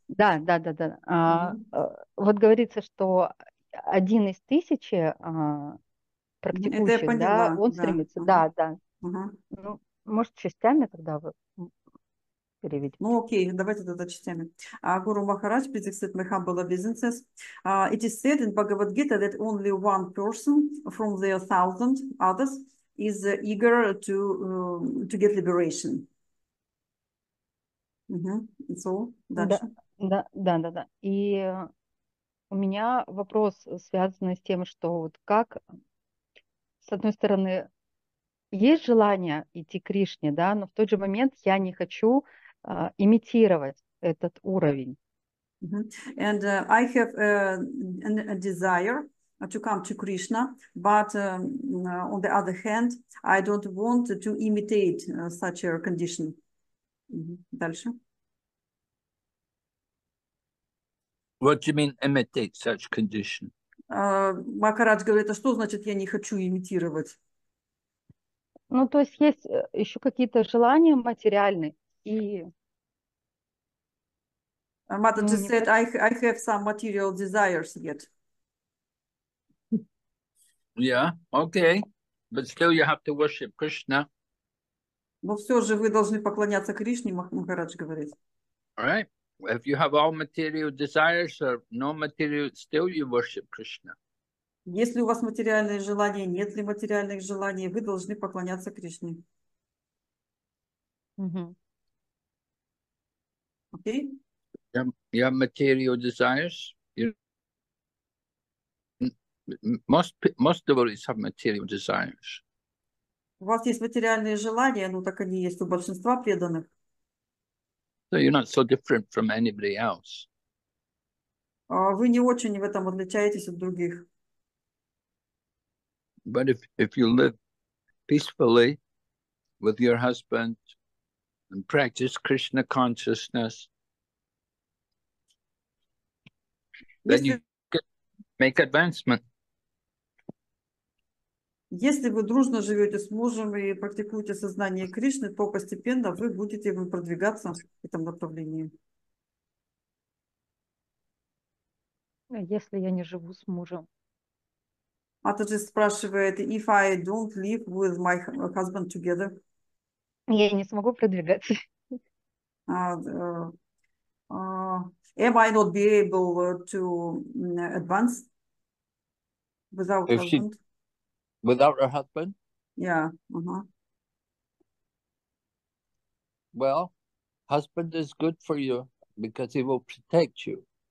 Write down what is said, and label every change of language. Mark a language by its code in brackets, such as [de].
[ru] Да, да, да, да. Угу. Вот говорится, что один из тысячи практикующих, это я поняла, да, он стремится. Да, да. Да. Угу. Ну, может, частями тогда вы переведите. Ну, окей, давайте тогда частями. [en] Гуру Махарадж, please accept my humble obeisances. It is said in Bhagavad Gita that only one person from the 1,000 others is eager to get liberation. Uh-huh. So, [ru] дальше. Да, да, да, да. И у меня вопрос, связанный с тем, что вот как, с одной стороны, есть желание идти к Кришне, да, но в тот же момент я не хочу имитировать этот уровень. Mm-hmm. [en] And I have a desire to come to Krishna, but on the other hand, I don't want to imitate such a condition. [ru] Mm-hmm. Дальше. [en] What do you mean, imitate such condition? [ru] Махарадж говорит, а что значит я не хочу имитировать? Ну, то есть есть еще какие-то желания материальные и... [en] Матаджи said, I have some material desires yet. Yeah, okay. But still you have to worship Krishna. [ru] Но все же вы должны поклоняться Кришне, Махарадж говорит. [en] All right. If you have all material desires or no material, still you worship Krishna. [ru] Если у вас материальные желания, нет ли материальных желаний, вы должны поклоняться Кришне. Mm-hmm. [en] Okay? You have material desires. Most devotees have material desires. [ru] У вас есть материальные желания, ну так они есть у большинства преданных. [en] So you're not so different from anybody else. [ru] Вы не очень в этом отличаетесь от других. [en] But if you live peacefully with your husband and practice Krishna consciousness, then you can make advancement. [ru] Если вы дружно живете с мужем и практикуете сознание Кришны, то постепенно вы будете продвигаться в этом направлении. Если я не живу с мужем. [en] Атаджи [ru] спрашивает, [en] if I don't live with my husband together. [ru] Я не смогу продвигаться. [en] Am I not be able to advance without if husband? She, without her husband? Yeah. Well, husband is good for you because he will protect you.